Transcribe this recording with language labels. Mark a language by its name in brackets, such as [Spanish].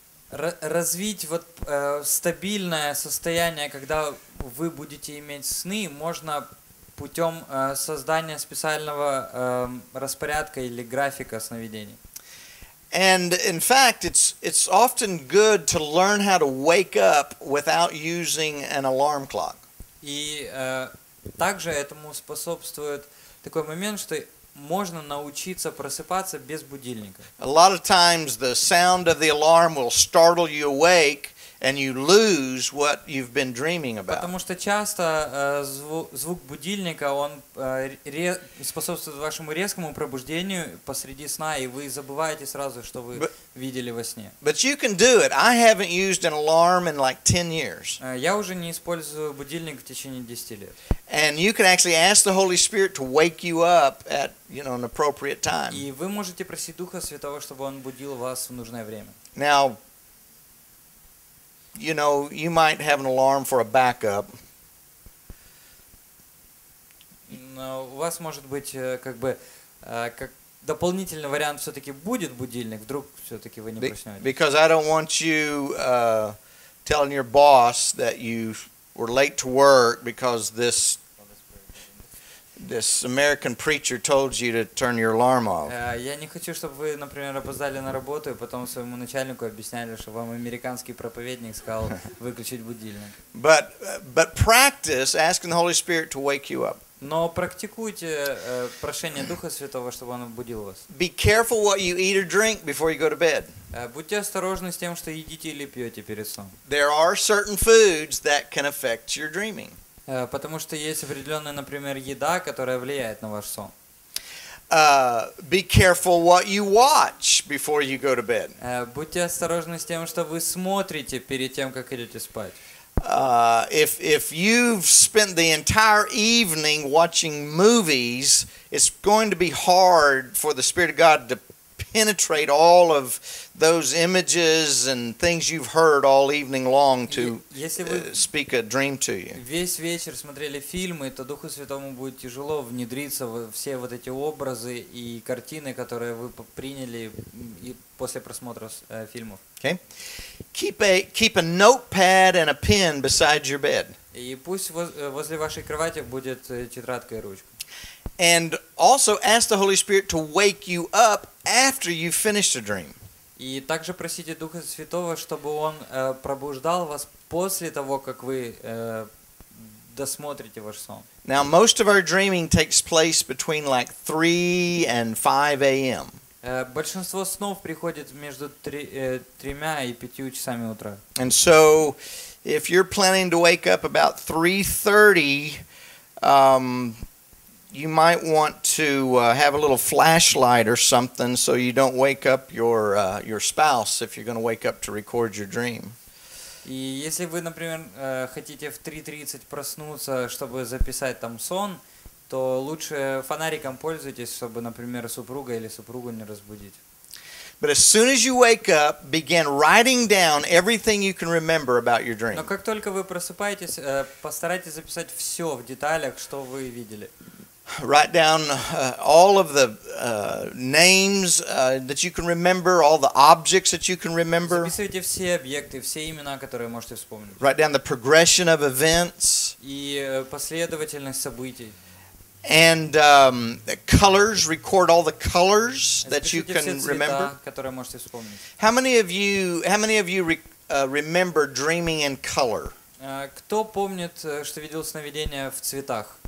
[Russian] Развить вот стабильное состояние, когда вы будете иметь сны, можно путем создания специального распорядка или графика сновидений. [English] And in fact, it's often good to learn how to wake up without using an alarm clock. [Russian] И также этому способствует такой момент, что можно научиться просыпаться без будильника. [English] A lot of times the sound of the alarm will startle you awake and you lose what you've been dreaming about. [Russian] Потому что часто звук будильника он способствует вашему резкому пробуждению посреди сна, и вы забываете сразу, что вы видели во сне. [English] But you can do it. I haven't used an alarm in like 10 years. [Russian] Я уже не использую будильник в течение 10 лет. [English] And you can actually ask the Holy Spirit to wake you up at, you know, an appropriate time. [Russian] И вы можете просить Духа Святого, чтобы он будил вас в нужное время. [English] Now, you know, you might have an alarm for a backup. [Russian] Но у вас может быть как бы как дополнительный вариант все-таки будет будильник, вдруг все-таки вы не проснетесь. [English] Because I don't want you telling your boss that you were late to work because this American preacher told you to turn your alarm off. [Russian] Я не хочу, чтобы вы, например, опоздали на работу и потом своему начальнику объясняли, что вам американский проповедник сказал выключить будильник. [English] But practice asking the Holy Spirit to wake you up. [Russian] Но практикуйте прошение Духа Святого, чтобы он будил вас. [English] Be careful what you eat or drink before you go to bed. [Russian] Будьте осторожны с тем, что едите или пьете перед сном. [English] There are certain foods that can affect your dreaming. [Russian] Потому что есть определенная, например, еда, которая влияет на ваш сон. [English] Be careful what you watch before you go to bed. [Russian] Будьте осторожны с тем, что вы смотрите перед тем, как идете спать. [English] If you've spent the entire evening watching movies, it's going to be hard for the Spirit of God to penetrate all of those images and things you've heard all evening long to speak a dream to you. [Russian] Весь вечер смотрели фильмы, то Духу Святому будет тяжело внедриться во все вот эти образы и картины, которые вы приняли после просмотра фильмов. [English] Okay. Keep a notepad and a pen beside your bed. [Russian] И пусть возле вашей кровати будет тетрадка и ручка. [English] And also ask the Holy Spirit to wake you up after you've finished a dream. [Russian] И также просите Духа Святого, чтобы он пробуждал вас после того, как вы досмотрите ваш сон. [English] Now most of our dreaming takes place between like 3 and 5 a.m. [Russian] Большинство снов приходит между 3 и 5 часами утра. [English] And so if you're planning to wake up about 3:30, you might want to have a little flashlight or something so you don't wake up your spouse if you're going to wake up to record your dream. [Russian] И если вы, например, хотите в 3:30 проснуться, чтобы записать там сон, то лучше фонариком пользуйтесь, чтобы, например, супруга или супругу не разбудить. [English] But as soon as you wake up, begin writing down everything you can remember about your dream. [Russian] Но как только вы просыпаетесь, постарайтесь записать все в деталях, что вы видели. [English] Write down all of the names that you can remember, all the objects that you can remember. [Russian] Записывайте все объекты, все имена, которые можете вспомнить. [English] Write down the progression of events. [Russian] И последовательность событий. [English] And colors, record all the colors that you can remember. [Russian] Которые можете вспомнить. [English] How many of you remember dreaming in color? [Russian] Кто помнит, что видел сновидения в цветах?